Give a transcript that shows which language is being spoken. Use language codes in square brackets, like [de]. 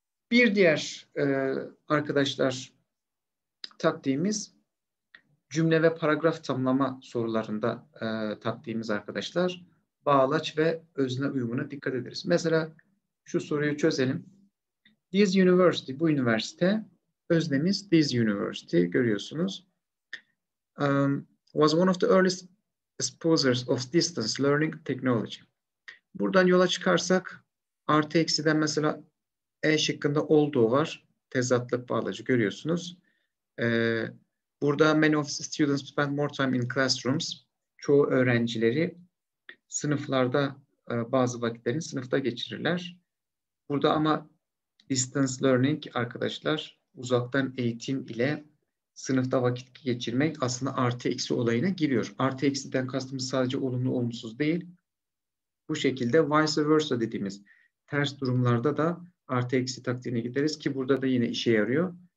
[tr] Bir diğer arkadaşlar taktiğimiz cümle ve paragraf tamlama sorularında taktiğimiz arkadaşlar bağlaç ve özne uyumuna dikkat ederiz. Mesela şu soruyu çözelim. [en] This university, [tr] bu üniversite, öznemiz this university görüyorsunuz. [en] Was one of the earliest exposures of distance learning technology. [tr] Buradan yola çıkarsak artı eksiden mesela E şıkkında olduğu var. Tezatlık bağlacı görüyorsunuz. Burada [en] many of the students spend more time in classrooms. [tr] Çoğu öğrencileri sınıflarda bazı vakitlerini sınıfta geçirirler. Burada ama distance learning arkadaşlar, uzaktan eğitim ile sınıfta vakit geçirmek aslında artı eksi olayına giriyor. Artı eksiden kastımız sadece olumlu olumsuz değil. Bu şekilde vice versa dediğimiz ters durumlarda da artı eksi taktiğine gideriz ki burada da yine işe yarıyor.